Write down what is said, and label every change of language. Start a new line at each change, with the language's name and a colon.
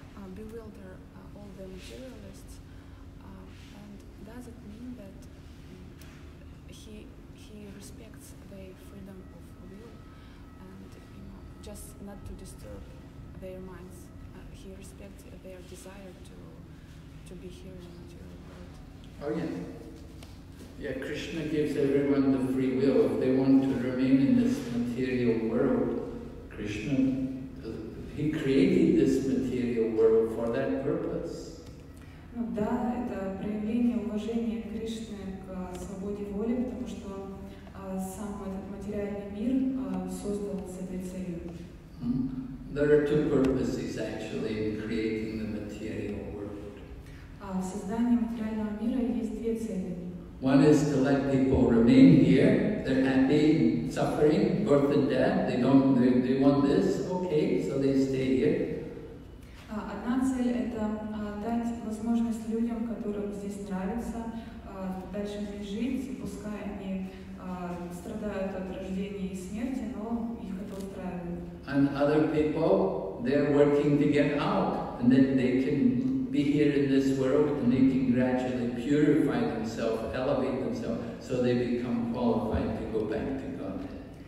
English: Materialists, and does it mean that he respects their freedom of will, and you know, just not to disturb their minds, he respects their desire to be here in the material world? Oh yeah. Yeah, Krishna gives everyone the free will. If they want to remain in this material world, Krishna, he created this material world for that purpose.
Russian: Ну да, это проявление уважения Кришны к свободе воли, потому что сам этот материальный мир создан с этой целью.
English: There are two purposes actually in creating the material world.
Russian: В создании материального мира есть две цели.
English: One is to let people remain here. They're happy, suffering, birth and death. They want this, okay, so they stay here.
Russian: Одна цель это дать возможность людям, которым здесь нравится, дальше здесь жить, и пускай они страдают от рождения и смерти, но их это устраивает.
English: And other people, they're working to get out, and then they can be here in this world, and they can gradually purify themselves, elevate themselves, so they become qualified to go back to Godhead.